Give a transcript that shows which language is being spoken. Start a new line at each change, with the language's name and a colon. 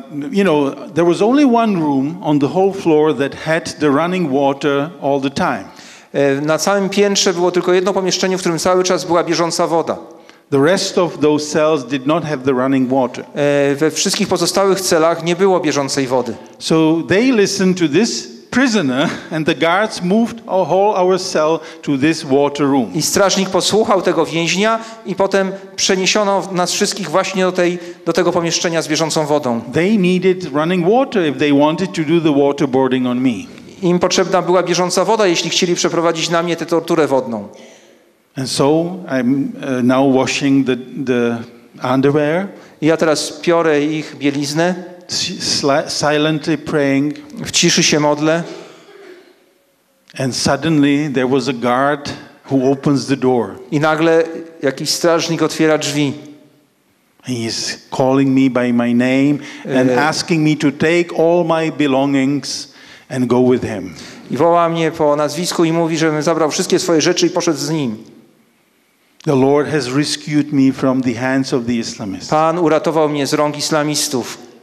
English: You know, there was only one room on the whole floor that had the running water all the time.
Polish: Na całym piętrze było tylko jedno pomieszczenie, w którym cały czas była bieżąca woda.
English: The rest of those cells did not have the running water.
Polish: We wszystkich pozostałych celach nie było bieżącej wody.
English: So they listened to this prisoner and the guards moved our whole our cell to this water room.
Polish: I strażnik posłuchał tego więźnia i potem przeniesiono nas wszystkich właśnie do tego pomieszczenia z bieżącą wodą.
English: They needed running water if they wanted to do the waterboarding on me.
Polish: Im potrzebna była bieżąca woda, jeśli chcieli przeprowadzić na mnie tę torturę wodną.
English: And so I'm now washing the underwear.
Polish: I ja teraz piorę ich bieliznę.
English: Silently praying.
Polish: W ciszy się modlę.
English: And suddenly there was a guard who opens the door.
Polish: I nagle jakiś strażnik otwiera drzwi.
English: He is calling me by my name and asking me to take all my belongings and go with him.
Polish: I woła mnie po nazwisku i mówi, żebym zabrał wszystkie swoje rzeczy i poszedł z nim.
English: The Lord has rescued me from the hands of the Islamists.
Polish: Pan uratował mnie z rąk islamistów.